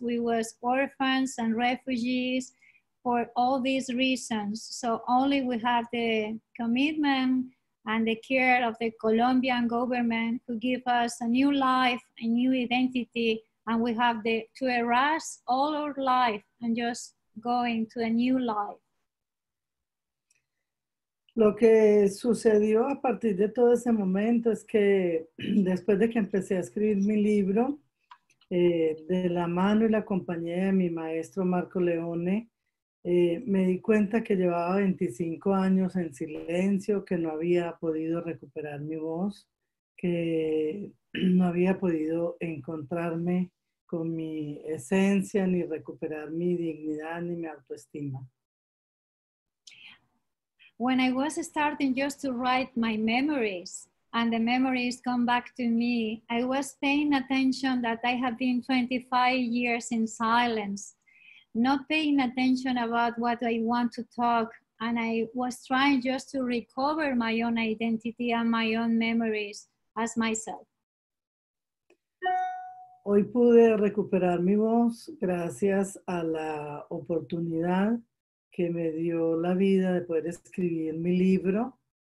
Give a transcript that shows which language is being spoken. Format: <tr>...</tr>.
<en>We were orphans and refugees. For all these reasons, so only we have the commitment and the care of the Colombian government to give us a new life, a new identity, and we have to erase all our life and just go into a new life.</en> <es>Lo que sucedió a partir de todo ese momento es que después de que empecé a escribir mi libro, de la mano y la compañía de mi maestro Marco Leone, Me di cuenta que llevaba 25 años en silencio, que no había podido recuperar mi voz, que no había podido encontrarme con mi esencia, ni recuperar mi dignidad, ni mi autoestima.</es> <en>When I was starting just to write my memories, and the memories come back to me, I was paying attention that I have been 25 years in silence, not paying attention about what I want to talk, and I was trying just to recover my own identity and my own memories as myself.</en> <es>Hoy pude recuperar mi voz gracias a la oportunidad que me dio la vida de poder escribir mi libro.</es>